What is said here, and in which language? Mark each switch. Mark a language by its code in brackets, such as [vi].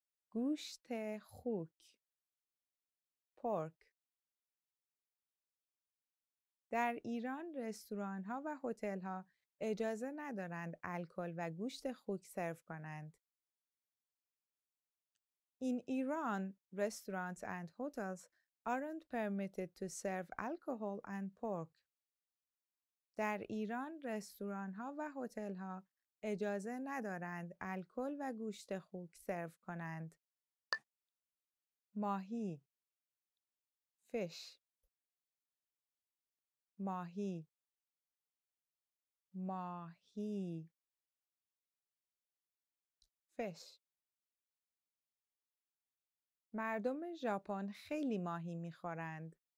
[fa] گوشت خوک. Pork. در ایران رستوران ها و هتل ها اجازه ندارند الکل و گوشت خوک سرو کنند. [en] In Iran, restaurants and hotels aren't permitted to serve alcohol and pork. [fa] در ایران رستوران ها و هتل ها اجازه ندارند الکل و گوشت خوک سرو کنند. ماهی Fish ماهی ماهی Fish مردم ژاپن خیلی ماهی می‌خورند.